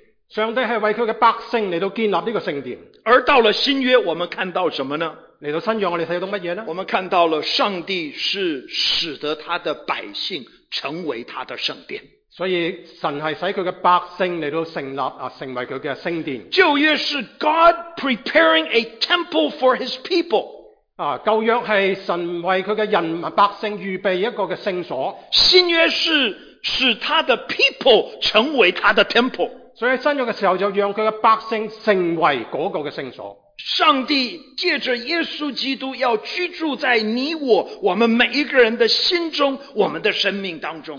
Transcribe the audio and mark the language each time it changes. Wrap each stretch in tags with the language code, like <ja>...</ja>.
<zh>上帝是为他的百姓来建立这个圣殿。而到了新约我们看到什么呢？来到新约我们看到什么呢？我们看到了上帝是使得他的百姓成为他的圣殿，所以神是使他的百姓来成立成为他的圣殿。旧约是</zh> <en>God preparing a temple for his people，</en> <zh>旧约是神为他的人民百姓预备一个的圣所，新约是使他的 people 成为他的 temple。所以新约的时候就让他的百姓成为那个的圣所。上帝借着耶稣基督要居住在你我，我们每一个人的心中，我们的生命当中。</zh>